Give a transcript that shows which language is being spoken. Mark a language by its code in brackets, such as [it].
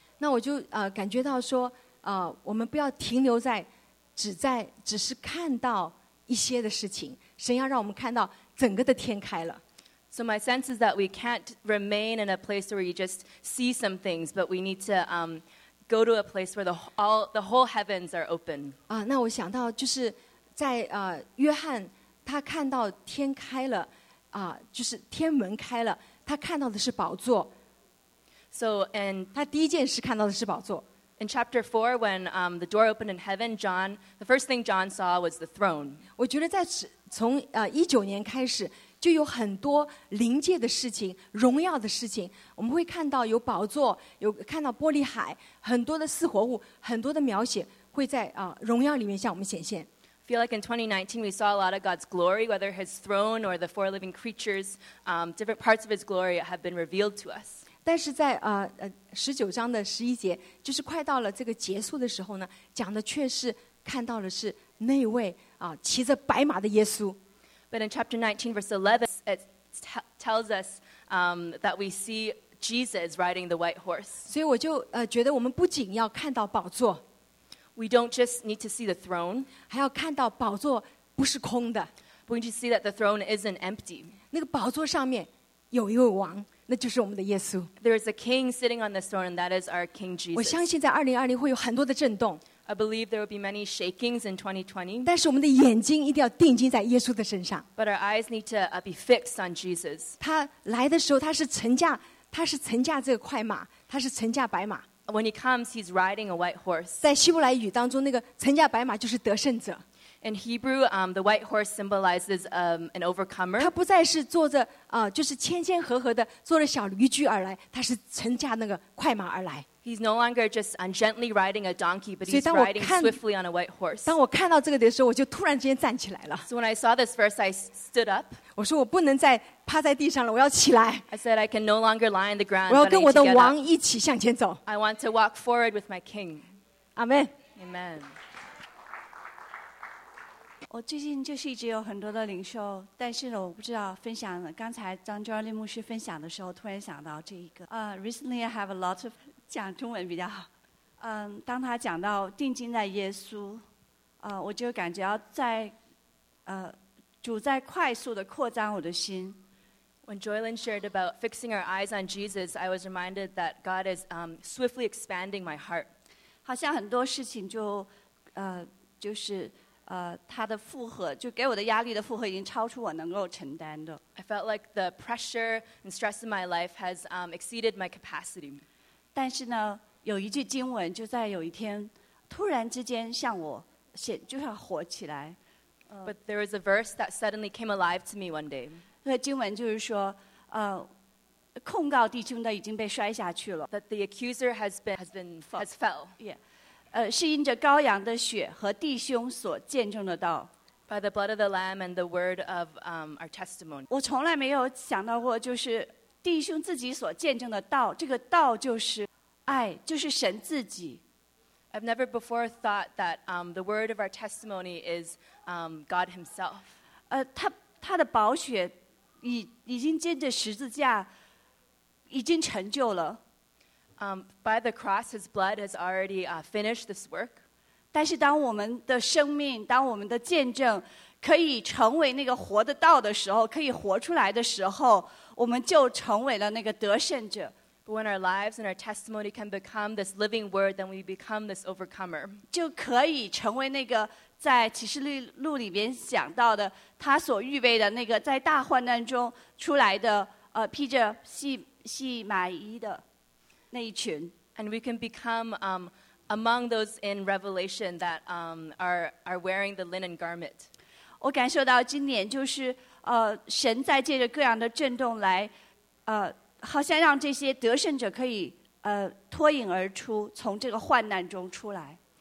[zh] 那我就感觉到说我们不要停留在只是看到一些的事情，神要让我们看到整个的天开了。 [en] So my sense is that we can't remain in a place where you just see some things, but we need to go to a place where the whole heavens are open. [zh] 那我想到就是在约翰他看到天开了，就是天门开了，他看到的是宝座。 [en] So and [zh] 他第一件事看到的是宝座。 [en] In chapter 4, when the door opened in heaven, John, the first thing John saw was the throne. [zh] 我觉得在从19年开始，就有很多灵界的事情，荣耀的事情。我们会看到有宝座，有看到玻璃海，很多的四活物，很多的描写会在荣耀里面向我们显现。 [en] I feel like in 2019 we saw a lot of God's glory, whether his throne or the four living creatures, different parts of his glory have been revealed to us. [zh] 但是在19章的11节，就是快到了这个结束的时候呢，讲的却是看到了是那位骑着白马的耶稣。 [en] But in chapter 19 verse 11 it tells us that we see Jesus riding the white horse. [zh] 所以我就觉得我们不仅要看到宝座， [en] We don't just need to see the throne. [zh] 还要看到宝座不是空的。 [en] We need to see that the throne isn't empty. [zh] 那个宝座上面有一位王，那就是我们的耶稣。 [en] There is a king sitting on the throne, and that is our King Jesus. [zh] 我相信在2020会有很多的震动。 [en] I believe there will be many shakings in 2020. [zh] 但是我们的眼睛一定要定睛在耶稣的身上。 [en] But our eyes need to be fixed on Jesus. [zh] 他来的时候，他是乘驾这个快马，他是乘驾白马。 [en] When he comes, he's riding a white horse. [zh] 在希伯来语当中，那个乘驾白马就是得胜者。 [en] In Hebrew, the white horse symbolizes an overcomer. [zh] 他不再是坐着就是谦谦和和的坐着小驴驹而来，他是乘驾那个快马而来。 [en] He's no longer just gently riding a donkey, but he's riding swiftly on a white horse. [zh] 当我看到这个的时候，我就突然之间站起来了。 [en] So when I saw this verse, I stood up. [zh] 我说我不能再趴在地上了，我要起来。 [en] I said I can no longer lie on the ground. [zh] 我要跟我的王一起向前走。 [en] I want to walk forward with my king. Amen. Amen. [zh] 我最近就是一直有很多的领受，但是呢，我不知道分享刚才张娟丽牧师分享的时候，突然想到这一个。 [en] Recently I have a lot of [zh] 讲中文比较好。当他讲到定睛在耶稣，我就感觉到在主在快速的扩张我的心。 [en] When Joylyn shared about fixing our eyes on Jesus, I was reminded that God is swiftly expanding my heart. [zh] 好像很多事情他的负荷就给我的压力的负荷已经超出我能够承担的。 [en] I felt like the pressure and stress in my life has exceeded my capacity. [zh] 但是呢，有一句经文就在有一天突然之间向我显，就要活起来。 [en] But there was a verse that suddenly came alive to me one day. [zh] 那经文就是说，控告弟兄的已经被摔下去了。 [en] That the accuser has fell. Yeah. [zh] 是因着羔羊的血和弟兄所见证的道。 [en] By the blood of the Lamb and the word of our testimony. [zh] 我从来没有想到过，就是弟兄自己所见证的道，这个道就是爱，就是神自己。 [en] I've never before thought that the word of our testimony is God Himself. [zh] 他的宝血已经借着十字架已经成就了。 [en] By the cross, his blood has already finished this work. [zh] 但是当我们的生命，当我们的见证可以成为那个活的道的时候，可以活出来的时候，我们就成为了那个得胜者。 [en] But when our lives and our testimony can become this living word, then we become this overcomer. [zh] 就可以成为那个在启示录里面讲到的，他所预备的那个在大患难中出来的，披着细麻衣的。那一群。 [en] And we can become among those in Revelation that are wearing the linen garment. [zh] 我感受到今年就是神在借着各样的震动来好像让这些得胜者可以脱颖而出，从这个患难中出来。